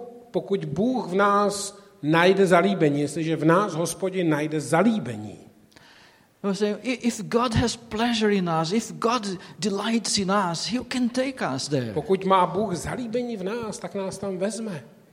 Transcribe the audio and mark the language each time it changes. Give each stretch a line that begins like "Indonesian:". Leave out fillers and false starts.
Czech: Pokud Bůh v nás najde zalíbení, jestliže v nás Hospodin najde zalíbení.
English: If God has pleasure in us, if God delights in us, he can take us there.
Czech: Pokud má Bůh zalíbení v nás, tak nás tam vezme.